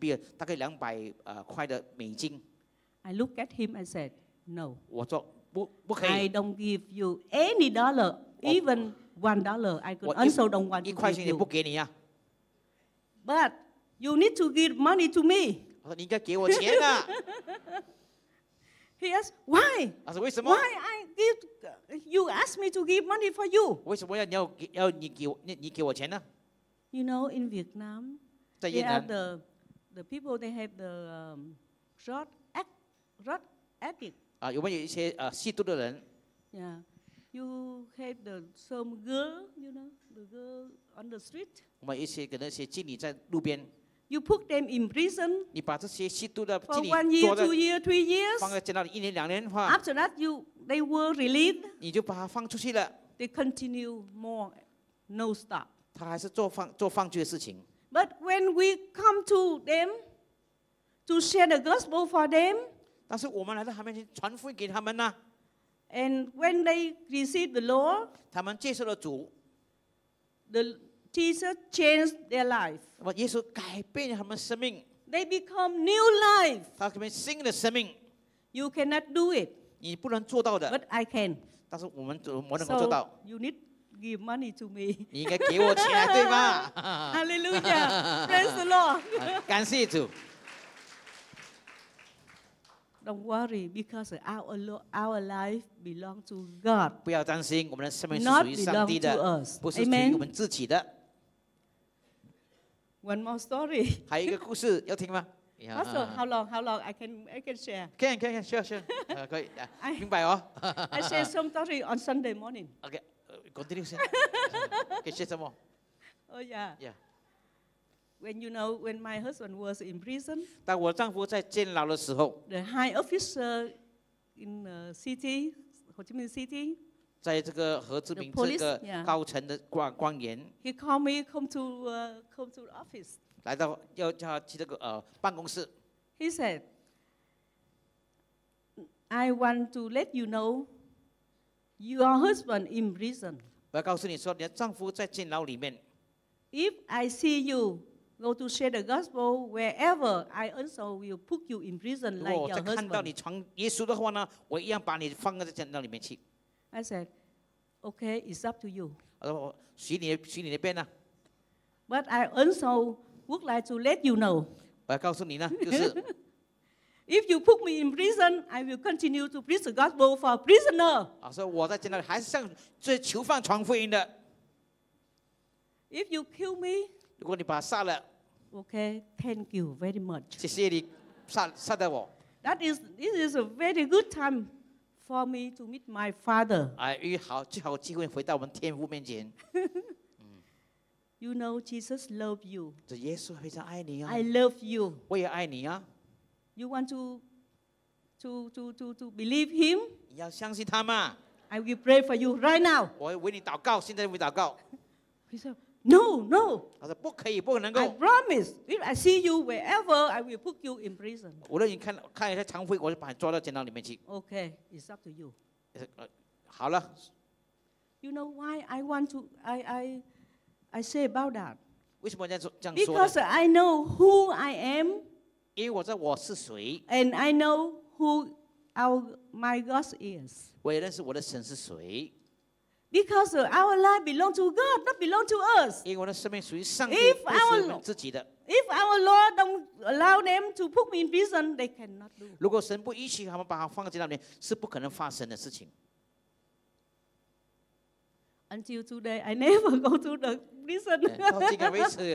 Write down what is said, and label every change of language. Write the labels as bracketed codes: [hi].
[zh] 那么这当时罚款，这个大概是百万的，他们的越南钱币大概200块的美金。 [en] I look at him. I said, "No." [zh] 我说不可以。 [en] I don't give you any dollar, even $1. I also don't want to give you. [zh] 一块钱也不给你啊。 [en] But you need to give money to me. [zh] 我说你应该给我钱啊。 [en] He asked, "Why?" [zh] 他说为什么？ [en] Why I give you ask me to give money for you? [zh] 为什么要你给我钱呢？ [en] You know, in Vietnam, they are the people they have the drug addict. [zh] 有没有一些吸毒的人？ [en] Yeah, you have the some girl, you know, the girl on the street. [zh] 我们一些可能一些妓女在路边。 [en] You put them in prison. [zh] 你把这些吸毒的妓女抓在 [en] for 1 year, 2 year, 3 years. [zh] 放在监牢里1年2年的话。 [en] After that, they were released. [zh] 你就把它放出去了。 [en] They continue more, no stop. [zh] 他还是做放具的事情。 [en] But when we come to them to share the gospel for them. [zh] 但是我们来到他面前传福音给他们呢。 [en] And when they receive the Lord, [zh] 他们接受了主。 [en] The Jesus changed their life. [zh] 耶稣改变他们生命。 [en] They become new life. [zh] 他们新的生命。 [en] You cannot do it. [zh] 你不能做到的。 [en] But I can. [zh] 但是我们能够做到。 [en] So you need give money to me. [zh] 你应该给我钱，对吗？ [en] Hallelujah! Praise the Lord. [zh] 感谢主。 [en] Don't worry, because our life belongs to God. [zh] 不要担心，我们的生命是属于上帝的，不是属于我们自己的。 [en] One more story. [zh] 还有一个故事要听吗？ [en] Pastor, how long? I can share. Can sure. [zh] 可以，明白哦。 [en] I share some story on Sunday morning. Okay, continue. Can share some more. Oh yeah. Yeah. When you know when my husband was in prison. [zh] 当我丈夫在监牢的时候。 [en] The high officer in the city, Ho Chi Minh City. [zh] 在这个何志明这个高层的官员， [en] he called me come to office. [zh] 来到要去这个办公室。 [en] He said, "I want to let you know, your husband in prison." [zh] 我要告诉你说，你的丈夫在监牢里面。 [en] If I see you go to share the gospel wherever, I also will put you in prison like your husband. [zh] 如果我看到你传耶稣的话呢，我一样把你放在监牢里面去。 [en] I said, "Okay, it's up to you." [zh] 我随你那边呢。 [en] But I also would like to let you know. [zh] 我要告诉你呢，就是。 [en] If you put me in prison, I will continue to preach the gospel for prisoner. [zh] 啊，所以我在监牢里还是向这囚犯传福音的。 [en] If you kill me, [zh] 如果你把他杀了， [en] okay, thank you very much. [zh] 谢谢你杀的我。 [en] This is a very good time for me to meet my father. [zh] 哎，最好机会回到我们天父面前。 [en] You know Jesus loves you. [zh] 这耶稣非常爱你啊。 [en] I love you. [zh] 我也爱你啊。 [en] You want to believe him? [zh] 你要相信他吗？ [en] I will pray for you right now. [zh] 我为你祷告，现在为你祷告。 [en] He said, "No, no." [zh] 他说不可以，不能够。 [en] I promise, if I see you wherever, I will put you in prison. [zh] 无论你看一下常辉，我就把你抓到监牢里面去。 [en] Okay, it's up to you. [zh] 好了。 [en] You know why I want to I say about that? [zh] 为什么这样说呢？ [en] Because I know who I am. [zh] 因为我知道我是谁。 [en] And I know who my God is. [zh] 我也认识我的神是谁。 [en] Because our life belongs to God, not belong to us. [zh] 因为我的生命属于上帝，不是我们自己的。 [en] If our Lord don't allow them to put me in prison, they cannot do. [zh] 如果神不允许他们把他放在那里，是不可能发生的事情。 [en] Until today, I never go to the prison.